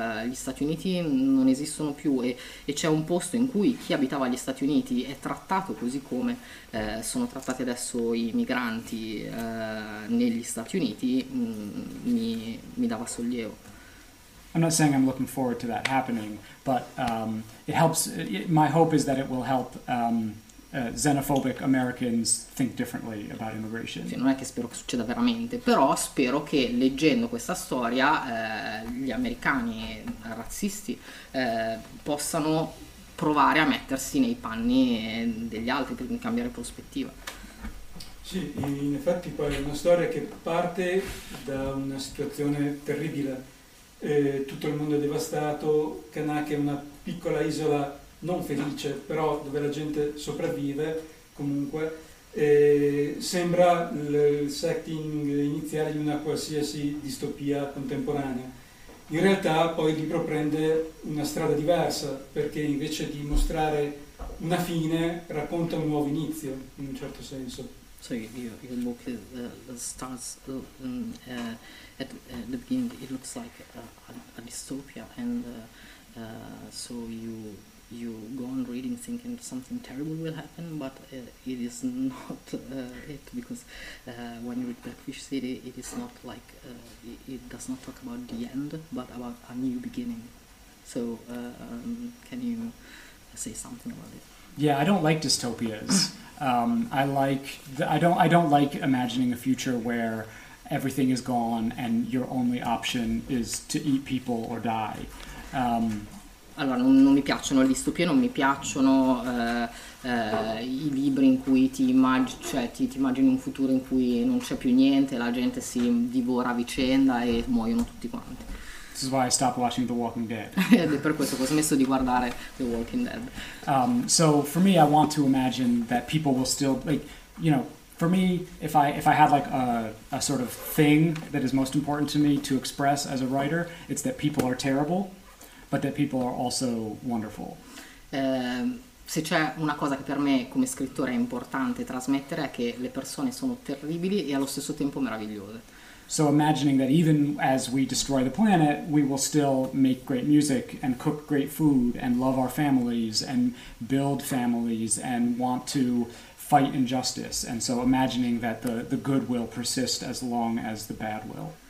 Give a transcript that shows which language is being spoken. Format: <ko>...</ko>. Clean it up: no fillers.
<it>gli Stati Uniti non esistono più e c'è un posto in cui chi abitava gli Stati Uniti è trattato così come sono trattati adesso i migranti negli Stati Uniti, mi dava sollievo.</it> <en>I'm not saying I'm looking forward to that happening, but it helps. My hope is that it will help xenophobic Americans think differently about immigration.</en> <it>Sì, non è che spero che succeda veramente, però spero che leggendo questa storia gli americani razzisti possano provare a mettersi nei panni degli altri per cambiare prospettiva. Sì, in effetti poi è una storia che parte da una situazione terribile. Tutto il mondo è devastato, Kanak è una piccola isola non felice, però dove la gente sopravvive comunque, sembra il setting iniziale di una qualsiasi distopia contemporanea. In realtà poi il libro prende una strada diversa, perché invece di mostrare una fine, racconta un nuovo inizio, in un certo senso.</it> <en>So you look at the starts at the beginning, it looks like a dystopia, and so you go on reading thinking something terrible will happen, but it is not it, because when you read Blackfish City, it is not like it does not talk about the end, but about a new beginning. So can you say something about it? Yeah, I don't like dystopias. I don't like imagining a future where everything is gone and your only option is to eat people or die.</en> <it>Allora, non mi piacciono le distopie, non mi piacciono i libri in cui ti immagini un futuro in cui non c'è più niente, la gente si divora a vicenda e muoiono tutti quanti.</it> <en>This is why I stopped watching The Walking Dead.</en> <it>Ed è per questo che ho smesso di guardare The Walking Dead.</it> <en>So for me, I want to imagine that people will still, like, you know, for me, if I had like a sort of thing that is most important to me to express as a writer, it's that people are terrible, but that people are also wonderful.</en> <it>Se c'è una cosa che per me come scrittore è importante trasmettere è che le persone sono terribili e allo stesso tempo meravigliose.</it> <en>So imagining that even as we destroy the planet, we will still make great music and cook great food and love our families and build families and want to fight injustice. And so imagining that the good will persist as long as the bad will.</en>